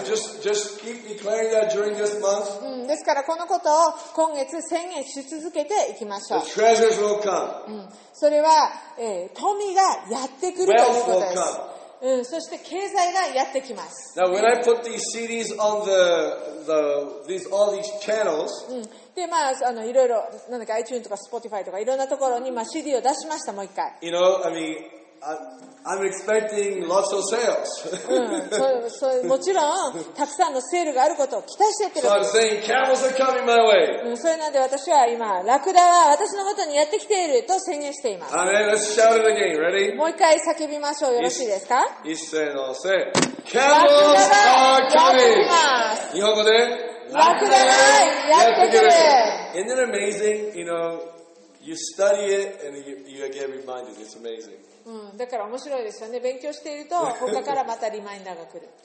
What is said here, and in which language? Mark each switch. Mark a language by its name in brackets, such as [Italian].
[English] So just keep declaring that during this month. [Japanese] うん。ですからこのことを今月宣言し続けていきましょう。 [English] The treasures will come. [Japanese] うん。それは、富がやってくるということです。 [English] Wealth will come. [Japanese] うん、そして経済がやってきます。 [English] Now, when I put these CDs on all these channels,、 [Japanese] うん、で、まあ、あの、いろいろ、なんだっけ、iTunes とか Spotify とかいろんなところに、まあ、CD を出しました、もう一回。 [English] You know, I mean, I'm expecting lots of sales. 、 [Japanese] うん、もちろん、たくさんのセールがあることを期待してやってるんです。 [English] So I'm saying, camels are coming my way.、 [Japanese] うん、それなんで私は今、ラクダは私のもとにやってきていると宣言しています。 [English] Amen, let's shout it again, ready? [Japanese] もう一回叫びましょう。よろしいですか? 一斉のせい。 [English] Camels are coming! [Japanese] 日本語で、ラクダがやってくる。 [English] Isn't it amazing? You know, you study it and you get reminded. It's amazing. [Japanese] うん、だから面白いですよね。勉強していると他からまたリマインダーが来る。